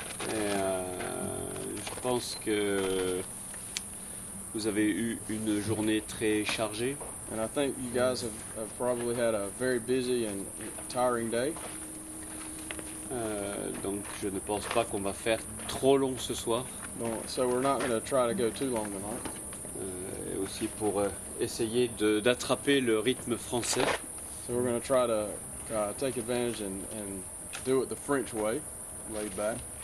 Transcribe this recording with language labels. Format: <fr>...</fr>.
<fr>Et je pense que vous avez eu une journée très chargée.</fr> <en>And I think you guys have probably had a very busy and tiring day.</en> <fr>Donc je ne pense pas qu'on va faire trop long ce soir.</fr> <en>No, so we're not going to try to go too long tonight.</en> <fr>Et aussi pour essayer d'attraper le rythme français.</fr> <en>So we're going to try to take advantage and do it the French way, laid back.</en>